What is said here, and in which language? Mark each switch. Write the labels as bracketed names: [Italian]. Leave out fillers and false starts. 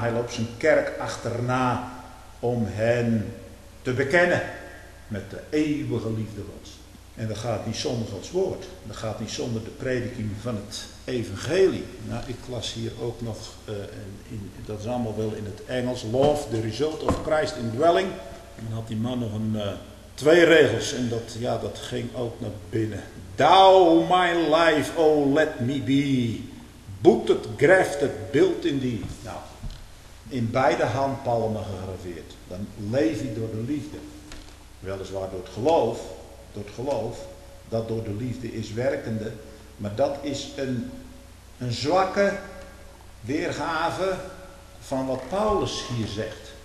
[Dutch] Hij loopt zijn kerk achterna. Om hen te bekennen. Met de eeuwige liefde Gods. En dat gaat niet zonder Gods woord. Dat gaat niet zonder de prediking van het evangelie. Nou, ik las hier ook nog. Dat is allemaal wel in het Engels. [English] Love, the result of Christ indwelling. [Dutch] En dan had die man nog twee regels. En dat, ja, dat ging ook naar binnen. [English] Thou my life, oh let me be, booted, grafted, built in thee. [Dutch] Nou, in beide handpalmen gegraveerd. Dan leef je door de liefde. Weliswaar door het geloof, dat door de liefde is werkende, maar dat is een zwakke weergave van wat Paulus hier zegt.